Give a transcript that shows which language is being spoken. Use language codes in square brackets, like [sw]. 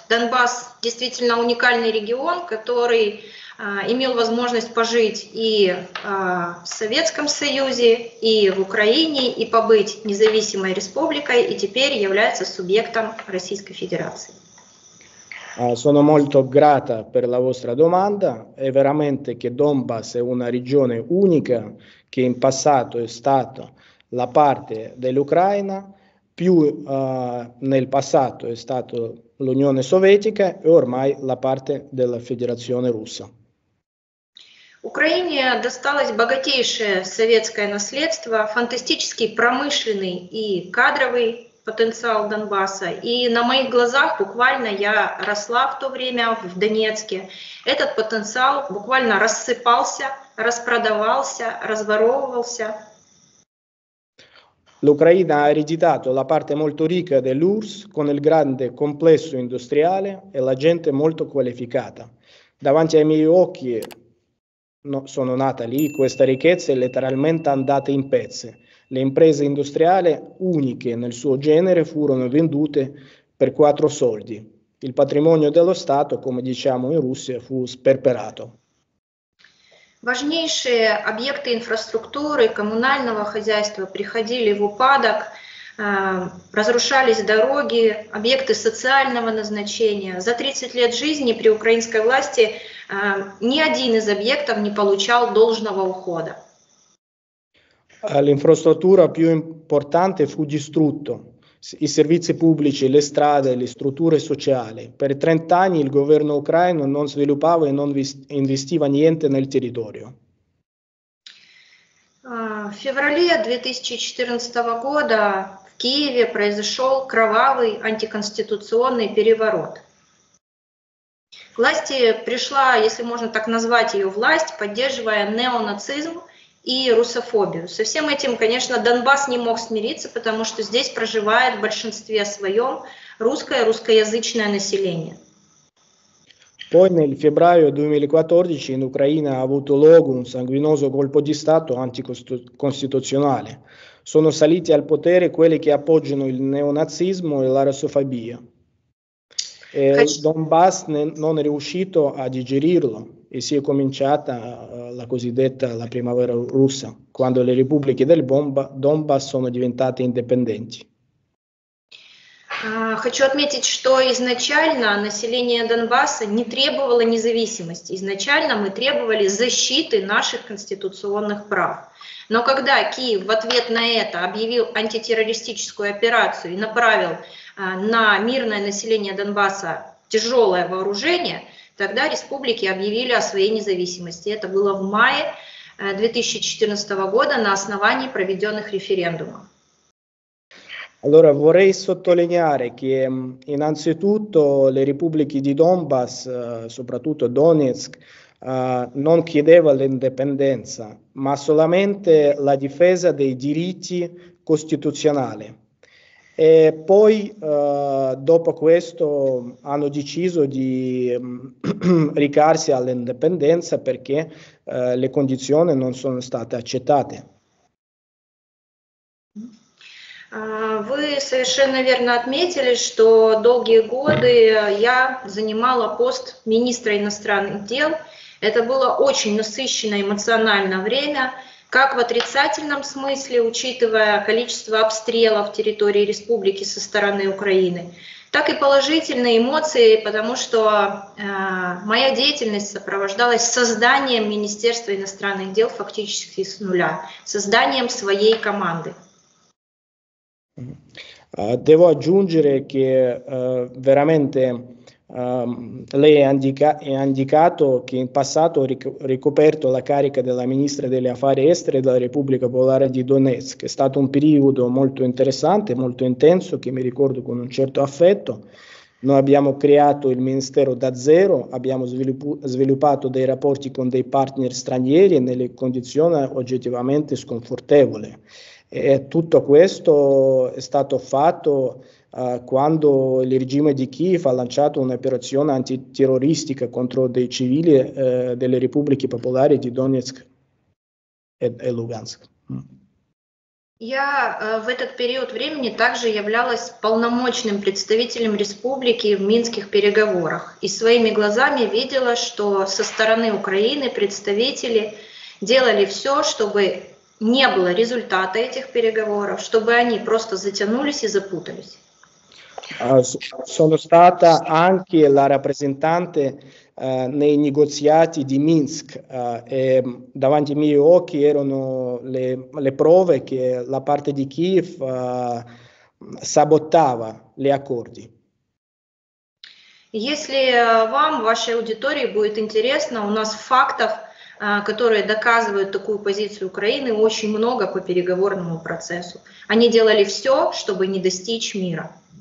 [ru] Донбасс действительно уникальный регион, который имел возможность пожить и в Советском Союзе, и в Украине, и побыть независимой республикой, и теперь является субъектом Российской Федерации. [it] Sono molto grata per la vostra domanda. È veramente che Donbass è una regione unica che in passato è stata la parte dell'Ucraina, più nel passato è stata l'Unione Sovietica e ormai la parte della Federazione Russa. [ru] Украине досталось богатейшее советское наследство, фантастический промышленный и кадровый потенциал Донбасса. И на моих глазах буквально я росла в то время в Донецке. Этот потенциал буквально рассыпался, распродавался, разворовывался. [it] L'Ucraina ha ereditato la parte molto ricca dell'URSS con il grande complesso industriale e la gente molto qualificata. Davanti ai miei occhi, no, sono nata lì, questa ricchezza è letteralmente andata in pezzi. Le imprese industriali, uniche nel suo genere, furono vendute per quattro soldi. Il patrimonio dello Stato, come diciamo in Russia, fu sperperato. [ru] Важнейшие объекты инфраструктуры, коммунального хозяйства приходили в упадок, разрушались дороги, объекты социального назначения. За 30 лет жизни при украинской власти, ни один из объектов не получал должного ухода. [it] L'infrastruttura più importante fu distrutta, i servizi pubblici, le strade, le strutture sociali. Per 30 anni il governo ucraino non sviluppava e non investiva niente nel territorio. [ru] В феврале 2014 года в Киеве произошел кровавый антиконституционный переворот. К власти пришла, если можно так назвать ее власть, поддерживая неонацизм и русофобию. Со всем этим, конечно, Донбасс не мог смириться, потому что здесь проживает в большинстве своем русское, русскоязычное население. [it] Poi nel febbraio 2014 in Ucraina ha avuto luogo un sanguinoso colpo di Stato anticostituzionale. Sono saliti al potere quelli che appoggiano il neonazismo e la russofobia. E Donbass non è riuscito a digerirlo. e si è cominciata la cosiddetta la primavera russa, quando le repubbliche del Donbass sono diventate indipendenti. [ru] Хочу отметить, что изначально население Донбасса не требовало независимости. Изначально мы требовали защиты наших конституционных прав. Но когда Киев в ответ на это объявил антитеррористическую операцию и направил на мирное население Донбасса тяжелое вооружение, тогда республики объявили о своей независимости. Это было в мае 2014 года на основании проведенных референдумов. [it] Allora vorrei sottolineare che innanzitutto le repubbliche di Donbass, soprattutto Donetsk, non chiedeva l'indipendenza, ma solamente la difesa dei diritti costituzionali. E poi dopo questo hanno deciso di recarsi all'indipendenza perché le condizioni non sono state accettate. [ru] Вы совершенно верно отметили, что долгие годы я занимала пост министра иностранных дел. Это было очень насыщенное эмоциональное время, как в отрицательном смысле, учитывая количество обстрелов территории республики со стороны Украины, так и положительные эмоции, потому что моя деятельность сопровождалась созданием Министерства иностранных дел фактически с нуля, созданием своей команды. [it] Devo aggiungere che veramente lei ha indicato che in passato ho ricoperto la carica della ministra degli affari esteri della Repubblica Popolare di Donetsk. È stato un periodo molto interessante, molto intenso, che mi ricordo con un certo affetto. Noi abbiamo creato il ministero da zero, abbiamo sviluppato dei rapporti con dei partner stranieri nelle condizioni oggettivamente sconfortevoli. E tutto questo è stato fatto quando il regime di Kiev ha lanciato un'operazione antiterroristica contro dei civili delle repubbliche popolari di Donetsk e Lugansk. [ru] Я в этот период времени также являлась полномочным представителем республики в Минских переговорах и своими глазами видела, что со стороны Украины представители делали все, чтобы не было результата этих переговоров, чтобы они просто затянулись и запутались. [it] Sono stata anche la rappresentante nei negoziati di Minsk e davanti ai miei occhi erano le prove che la parte di Kiev sabotava gli accordi. [ru] Если вам, вашей аудитории будет интересно, у нас фактов, которые доказывают такую позицию Украины, очень много по переговорному процессу. Они делали все, чтобы не достичь мира.